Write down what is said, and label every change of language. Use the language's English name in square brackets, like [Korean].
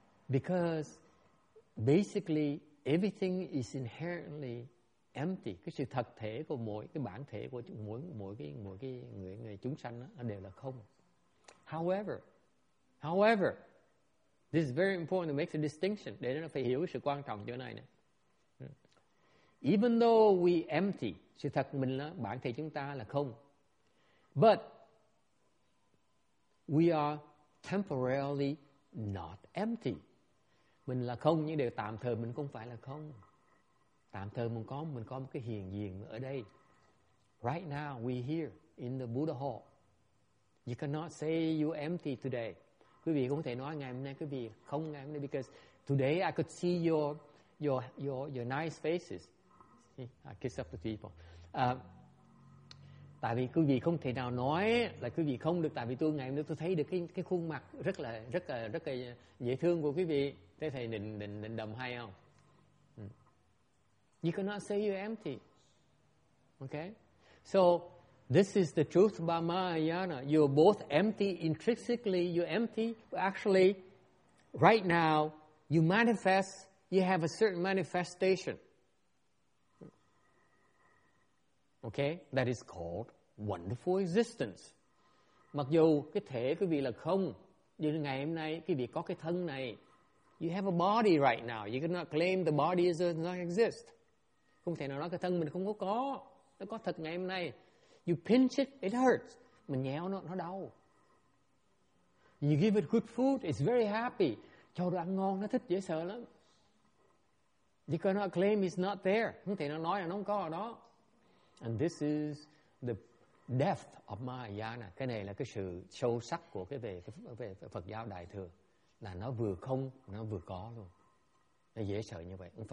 [English] Because basically everything is inherently empty. [Vietnamese] Cái sự thật thể của mỗi cái bản thể của mỗi cái người chúng sanh đó, nó đều là không. [English] However, this is very important to make a distinction. [Vietnamese] Để nó phải hiểu cái sự quan trọng chỗ này nè. [English] Even though we empty, [Vietnamese] sự thật mình là bản thể chúng ta là không. [English] But we are temporarily not empty. [Vietnamese] Mình là không nhưng đều tạm thời mình không phải là không. Tạm thời mình có một cái hiện diện ở đây. [English] Right now we here in the Buddha hall. You cannot say you empty today. [Vietnamese] Quý vị không thể nói ngày hôm nay quý vị không ngày hôm nay, [English] because today I could see your nice faces. See, I kiss up to people. [Vietnamese] Tại vì quý vị không thể nào nói là quý vị không được, tại vì tôi ngày hôm nay tôi thấy được cái khuôn mặt rất là dễ thương của quý vị. Thế thầy định đầm hay không? [English] You cannot say you're empty. Okay? So, this is the truth about Mahayana. You're both empty intrinsically. You're empty. But actually, right now, you manifest, you have a certain manifestation. Okay? That is called wonderful existence. [Vietnamese] Mặc dù cái thể quý vị là không, nhưng ngày hôm nay quý vị có cái thân này. [English] You have a body right now. You cannot claim the body does not exist. [Vietnamese] Không thể nào nói cái thân mình không có. Nó có thật ngày hôm nay. [English] You pinch it, it hurts. [Vietnamese] Mình nhéo nó đau. [English] You give it good food, it's very happy. [Vietnamese] Cho đồ ăn ngon, nó thích dễ sợ lắm. [English] You cannot claim it's not there. [Vietnamese] Không thể nào nói là nó không có ở đó. [English] And this is the depth of Mahayana. [Vietnamese] Cái này là cái sự sâu sắc của cái về Phật giáo Đại Thừa. Là nó vừa không, nó vừa có luôn. Nó dễ sợ như vậy.